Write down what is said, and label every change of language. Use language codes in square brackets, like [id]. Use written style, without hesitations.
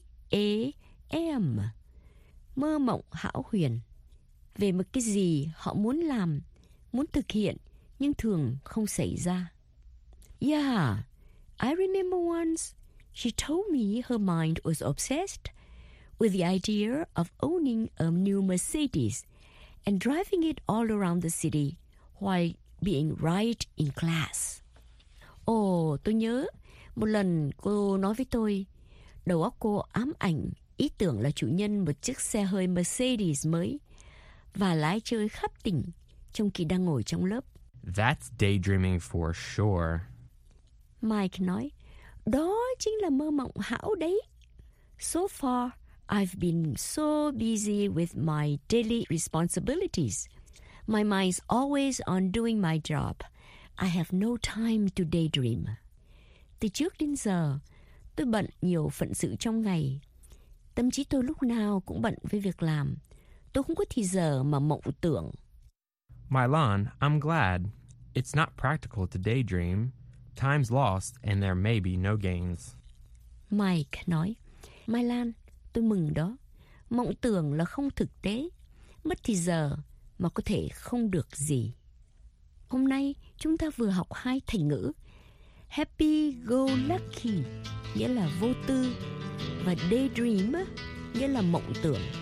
[vi] D-A-Y-D-R-E-A-M. Mơ mộng hão huyền về một cái gì họ muốn làm, muốn thực hiện, nhưng thường không xảy ra. [en] Yeah, I remember once she told me her mind was obsessed with the idea of owning a new Mercedes and driving it all around the city while being right in class. [vi] Oh, tôi nhớ một lần cô nói với tôi, đầu óc cô ám ảnh ý tưởng là chủ nhân một chiếc xe hơi Mercedes mới và lái chơi khắp tỉnh trong khi đang ngồi trong lớp. [en] That's daydreaming for sure. [vi] Mike nói, đó chính là mơ mộng hão đấy. [en] So far, I've been so busy with my daily responsibilities. My mind's always on doing my job. I have no time to daydream. [vi] Từ trước đến giờ, tôi bận nhiều phận sự trong ngày. Tâm trí tôi lúc nào cũng bận với việc làm. Tôi không có thì giờ mà mộng tưởng. [en] Mylon, I'm glad. It's not practical to daydream. Time's lost and there may be no gains. [vi] Mike nói, Mylon, tôi mừng đó. Mộng tưởng là không thực tế. Mất thì giờ mà có thể không được gì. Hôm nay chúng ta vừa học hai thành ngữ. Happy go lucky nghĩa là vô tư, và daydream nghĩa là mộng tưởng.